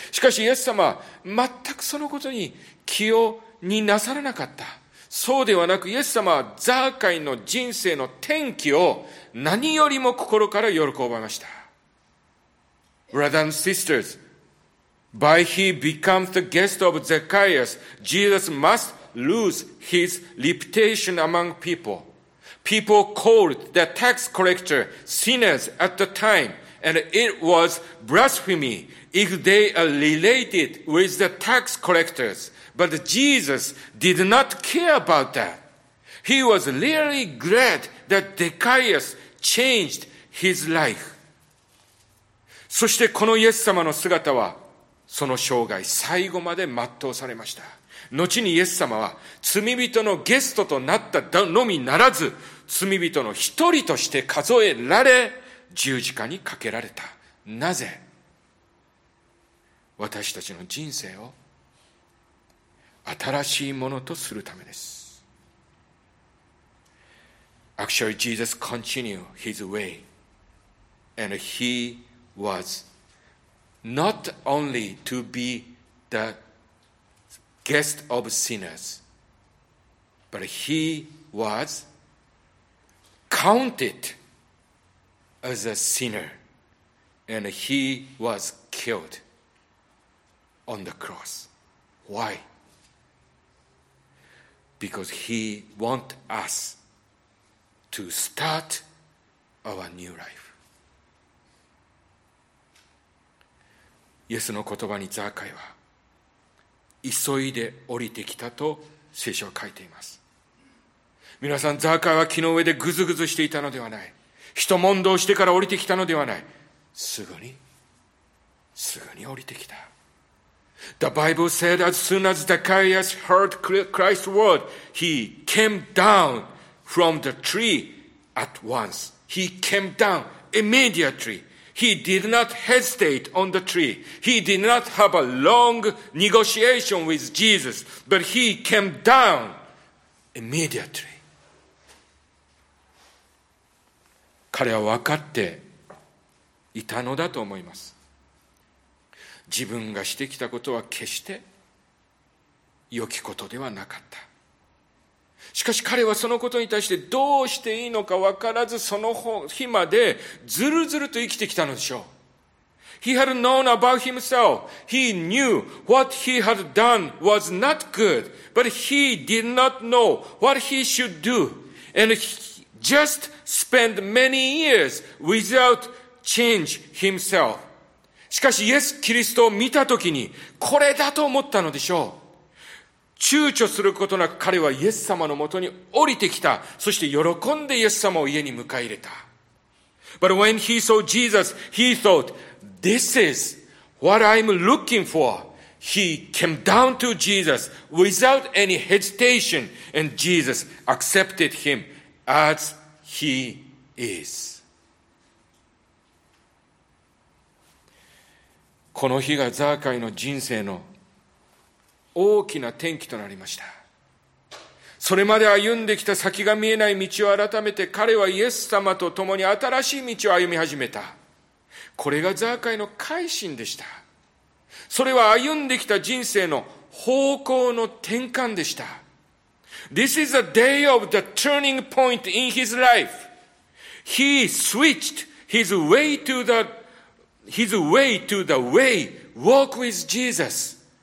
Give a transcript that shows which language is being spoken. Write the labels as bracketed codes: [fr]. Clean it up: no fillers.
[ja] しかし、イエス様は全くそのことに気をになさらなかった。そうではなく、イエス様はザーカイの人生の転機を何よりも心から喜ばました。 [en] Brothers and sisters, by he becomes the guest of Zacchaeus, Jesus must lose his reputation among people. People called the tax collector sinners at the time, and it was blasphemy if they are related with the tax collectors. But Jesus did not care about that. He was really glad that Zacchaeus changed his life. [ja] そしてこのイエス様の姿は、その生涯最後まで全うされました。後にイエス様は、罪人のゲストとなったのみならず、罪人の一人として数えられ、十字架にかけられた。なぜ、私たちの人生を新しいものとするためです。 [en] Actually, Jesus continued his way, and he was not only to be the guest of sinners, but he was counted as a sinner, and he was killed on the cross. Why? Because he wants us to start our new life. [ja] イエスの言葉にザーカイは急いで降りてきたと聖書は書いています。皆さん、ザーカイは木の上でぐずぐずしていたのではない。人問答してから降りてきたのではない。すぐに降りてきた。 [en] The Bible said as soon as Zacchaeus heard Christ's word, he came down from the tree at once. He came down immediately. He did not hesitate on the tree. He did not have a long negotiation with Jesus, but he came down immediately. [ja] 彼は分かっていたのだと思います。自分がしてきたことは決して良きことではなかった。しかし彼はそのことに対してどうしていいのか分からず、その日までずるずると生きてきたのでしょう。 [en] He had known about himself. He knew what he had done was not good, but he did not know what he should do. And he just spend many years without change himself. [ja] しかし、イエス・キリストを見たときに、これだと思ったのでしょう。躊躇することなく彼はイエス様のもとに降りてきた。そして喜んでイエス様を家に迎え入れた。 [en] But when he saw Jesus, he thought, this is what I'm looking for. He came down to Jesus without any hesitation, and Jesus accepted him. As he is. [ja] この日がザーカイの人生の大きな転機となりました。それまで歩んできた先が見えない道を改めて、彼はイエス様と共に新しい道を歩み始めた。これがザーカイの改心でした。それは歩んできた人生の方向の転換でした。 [en] This is a day of the turning point in his life. He switched his way to the way, walk with Jesus.